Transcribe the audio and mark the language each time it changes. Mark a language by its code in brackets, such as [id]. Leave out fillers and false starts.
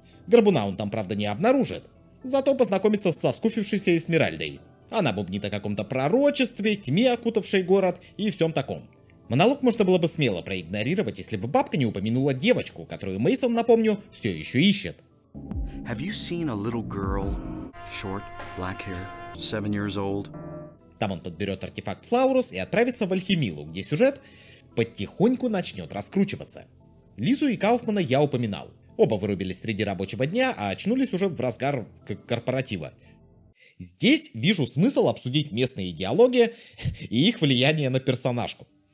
[ru] Горбуна он там, правда, не обнаружит. Зато познакомится с соскуфившейся Эсмеральдой. Она бубнит о каком-то пророчестве, тьме, окутавшей город и всем таком. Монолог можно было бы смело проигнорировать, если бы бабка не упомянула девочку, которую Мейсон, напомню, все еще ищет. [en] Have you seen a little girl? Short, black hair, 7 years old. [ru] Там он подберет артефакт Флаурус и отправится в Альхимилу, где сюжет потихоньку начнет раскручиваться. Лизу и Кауфмана я упоминал. Оба вырубились среди рабочего дня, а очнулись уже в разгар корпоратива. Здесь вижу смысл обсудить местные диалоги и их влияние на персонажку.